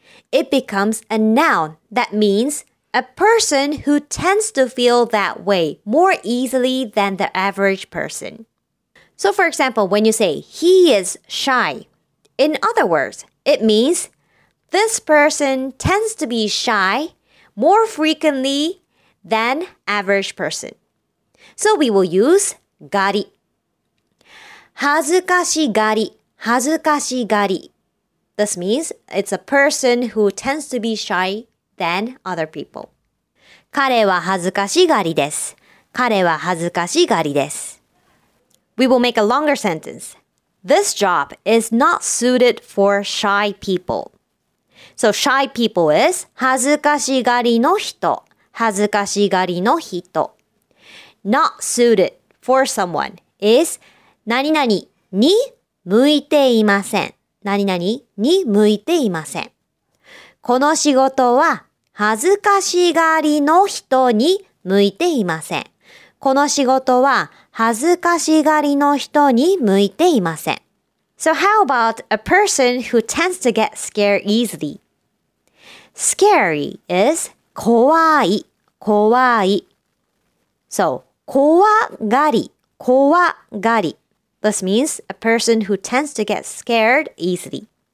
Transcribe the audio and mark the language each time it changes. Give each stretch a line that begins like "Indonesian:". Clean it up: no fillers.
English: It becomes a noun that means a person who tends to feel that way more easily than the average person. So for example, when you say he is shy, in other words, it means this person tends to be shy more frequently than average person. So we will use がり。
Japanese: 恥ずかしがり、恥ずかしがり。
English: This means it's a person who tends to be shy than other people.
Japanese: 彼は恥ずかしがりです。彼は恥ずかしがりです。
English: We will make a longer sentence. This job is not suited for shy people. So shy people is
Japanese: 恥ずかしがりの人、恥ずかしがりの人。
English: Not suited for someone is
Japanese: 何々に向いていません。何々に向いていません。この仕事は恥ずかしがりの人に向いていません。この仕事は恥ずかしがりの人に向いていません。
English: So how about a person who tends to get scared easily? Scary is
Japanese: 怖い、怖い。 So, 怖がり、怖がり。
English: This means a person who tends to get scared easily.